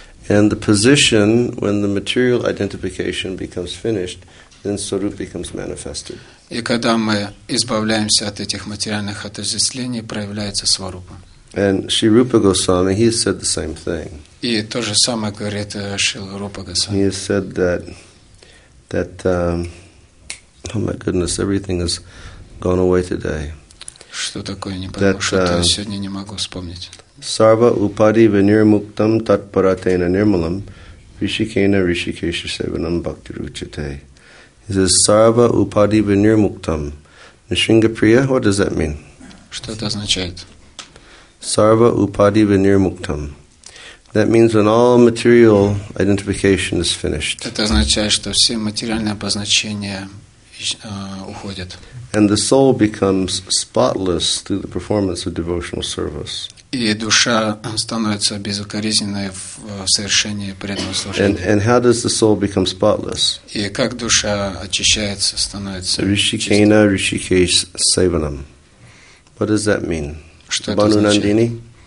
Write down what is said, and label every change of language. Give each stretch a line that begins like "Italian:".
English: And the position when the material identification becomes finished, then sarup becomes manifested.
Russian: И когда мы избавляемся от этих материальных отождествлений, проявляется сварупа.
English: And Sri Rupa Goswami, he said the same thing.
Russian: И то же самое говорит Шрила Рупа Госвами.
English: He said that my goodness, everything has gone away today.
Russian: Что такое, не понимаю, что-то я сегодня не могу вспомнить.
Sanskrit: Sarva upadi vinirmuktam tatparatena nirmalam rishikena rishikesha sevanam bhakti ruchate.
English: It says
Sanskrit: sarva upadi vinirmuktam.
English: Nishringapriya, what does that mean?
Russian: Что это означает?
Sanskrit: Sarva upadi vinirmuktam.
English: That means when all material identification is finished.
Russian: Это означает, что все материальные обозначения уходят.
English: And the soul becomes spotless through the performance of devotional service.
Russian: И душа становится безукоризненной в совершении преданного служения.
English: And how does the soul become spotless?
Russian: И как душа очищается, становится.
Sanskrit: Ришикена, ришикеш, севанам.
English: What does that mean?
Russian: Что это значит?